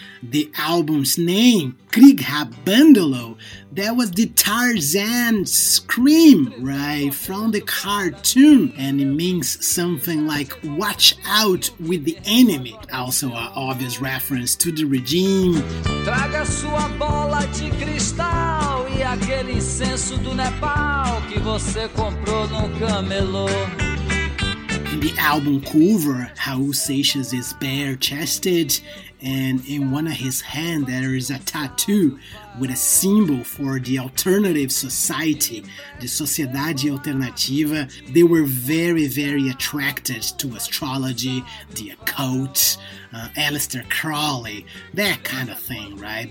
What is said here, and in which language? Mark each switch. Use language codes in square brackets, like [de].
[en] The album's name, Krieg hat Bandolo, that was the Tarzan scream, right, from the cartoon, and it means something like watch out with the enemy, also an obvious reference to the regime. [pt] Traga sua bola de cristal e a aquele incenso do Nepal que você comprou num camelô. [en] In the album cover, Raul Seixas is bare-chested, and in one of his hands there is a tattoo with a symbol for the alternative society, the Sociedade Alternativa. They were very, very attracted to astrology, the occult, Aleister Crowley, that kind of thing, right?